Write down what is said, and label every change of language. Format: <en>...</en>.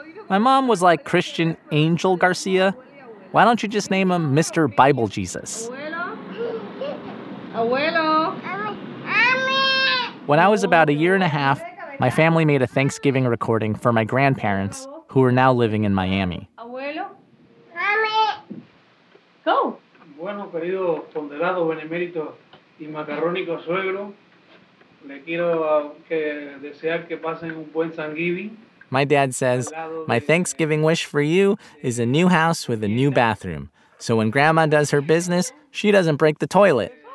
<en>My mom was like, Christian Angel Garcia, why don't you just name him Mr. Bible Jesus? When I was about a year and a half, my family made a Thanksgiving recording for my grandparents, who are now living in Miami.</en> <es>Bueno, querido ponderado benemérito y macarrónico suegro, le quiero que desear que pasen un buen Thanksgiving.</es> <en>My dad says, my Thanksgiving wish for you is a new house with a new bathroom, so when grandma does her business, she doesn't break the toilet.</en>